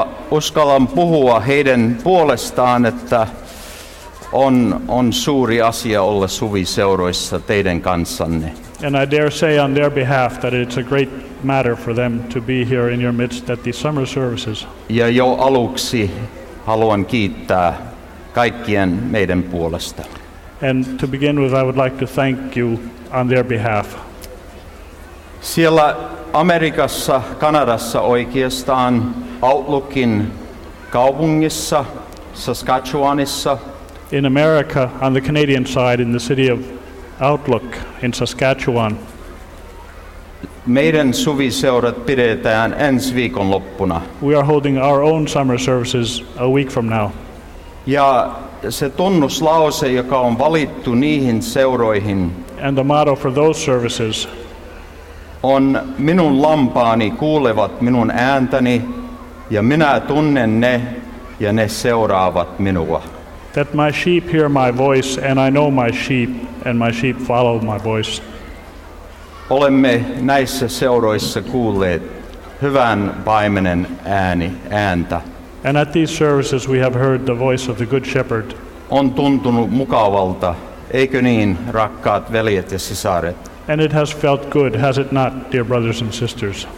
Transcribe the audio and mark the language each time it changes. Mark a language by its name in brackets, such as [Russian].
[Finnish] Uskallan puhua heidän puolestaan, että on suuri asia olla suviseuroissa teidän kanssanne. [English] And I dare say on their behalf that it's a great matter for them to be here in your midst at the summer services. [Finnish] Ja jo aluksi haluan kiittää kaikkien meidän puolesta. [English] And to begin with, I would like to thank you on their behalf. [Finnish] Siellä Amerikassa, Kanadassa oikeastaan, Outlookin kaupungissa, Saskatchewanissa. [English] In America, on the Canadian side, in the city of Outlook in Saskatchewan. [Finnish] Meidän suviseurat pidetään ensi viikon loppuna. [English] We are holding our own summer services a week from now. [Finnish] Ja se tunnuslause, joka on valittu niihin seuroihin, [English] and the motto for those services, [Finnish] on minun lampaani kuulevat minun ääntäni ja minä tunnen ne ja ne seuraavat minua. [English] That my sheep hear my voice and I know my sheep and my sheep follow my voice. [Finnish] Olemme näissä seuroissa kuulleet hyvän paimenen ääntä. [English] And at these services we have heard the voice of the good shepherd. [Finnish] On tuntunut mukavalta, eikö niin, rakkaat veljet ja sisaret? [English] And it has felt good, has it not, dear brothers and sisters?